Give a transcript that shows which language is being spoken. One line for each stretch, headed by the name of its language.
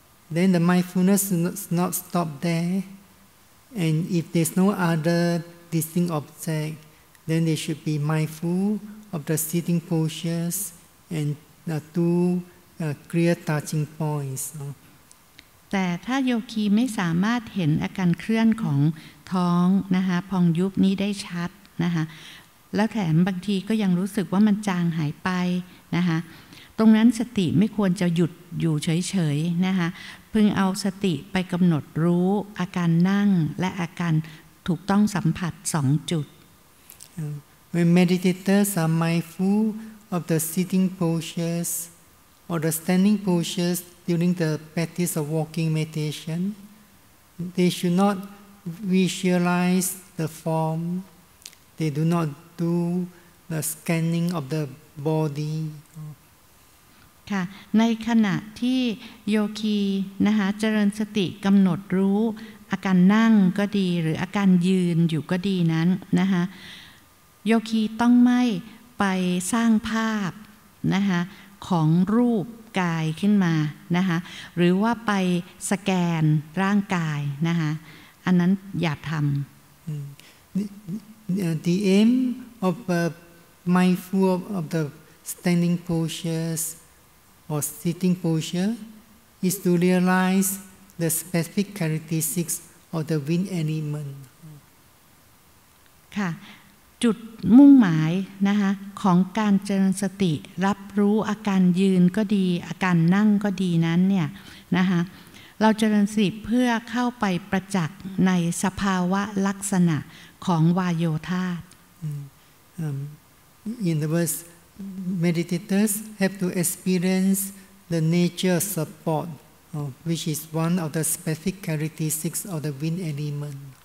English: Then the mindfulness does not stop there. And if there's no other distinct object, then they should be mindful of the sitting postures and the two clear touching points.
Thai: แต่ถ้าโยคีไม่สามารถเห็นอาการเคลื่อนของท้องนะคะพองยุบนี้ได้ชัดนะคะแล้วแถมบางทีก็ยังรู้สึกว่ามันจางหายไปนะคะตรงนั้นสติไม่ควรจะหยุดอยู่เฉยๆนะคะพึงเอาสติไปกำหนดรู้อาการนั่งและอาการถ ถูกต้องสัมผัสสองจุด
English: When meditators are mindful of the sitting postures or the standing postures during the practice of walking meditation, they should not visualize the form. They do not do the scanning of the body.
Thai: ในขณะที่โยคีนะคะเจริญสติกำหนดรู้อาการนั่งก็ดีหรืออาการยืนอยู่ก็ดีนั้นนะคะโยคีต้องไม่ไปสร้างภาพนะคะของรูปกายขึ้นมานะคะหรือว่าไปสแกนร่างกายนะคะอันนั้นอย่าทำ
English: The aim of mindful of the standing postures or sitting posture is to realize the specific characteristics of the wind element.
Thai: ค่ะจุดมุ่งหมายนะคะของการเจริญสติรับรู้อาการยืนก็ดีอาการนั่งก็ดีนั้นเนี่ยนะคะเราเจริญสติเพื่อเข้าไปประจักษ์ในสภาวะลักษณะของวาโยธาตุ
English: In the words,Meditators have to experience the nature of support, which is one of the specific characteristics of the wind element.